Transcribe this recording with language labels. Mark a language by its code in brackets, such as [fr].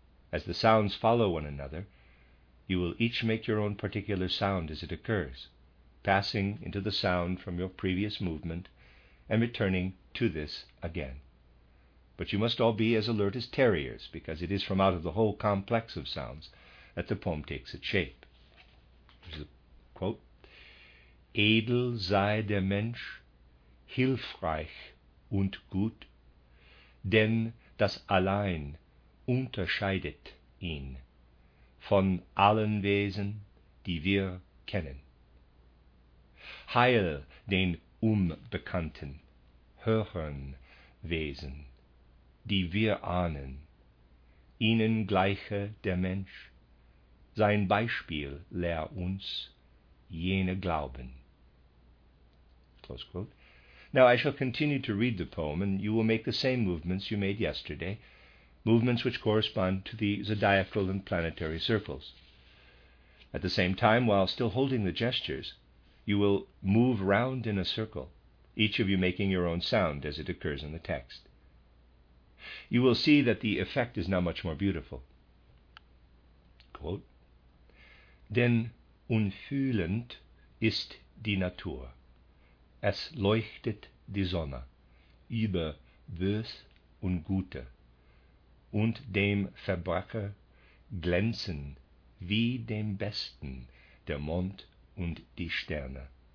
[en] As the sounds follow one another, you will each make your own particular sound as it occurs, passing into the sound from your previous movement and returning to this again. But you must all be as alert as terriers, because it is from out of the whole complex of sounds that the poem takes its shape. There's a quote, [de] Edel sei der Mensch, hilfreich und gut, denn das allein unterscheidet ihn von allen Wesen, die wir kennen. Heil den unbekannten, höheren Wesen, die wir ahnen, ihnen gleiche der Mensch, sein Beispiel lehr uns jene glauben. [en] Close quote. Now I shall continue to read the poem, and you will make the same movements you made yesterday, movements which correspond to the zodiacal and planetary circles. At the same time, while still holding the gestures, you will move round in a circle, each of you making your own sound as it occurs in the text. You will see that the effect is now much more beautiful. [de] Quote, Denn unfühlend ist die Natur. Es leuchtet die Sonne über Bös und Gute, und dem Verbrecher glänzen wie dem Besten der Mond und die Sterne.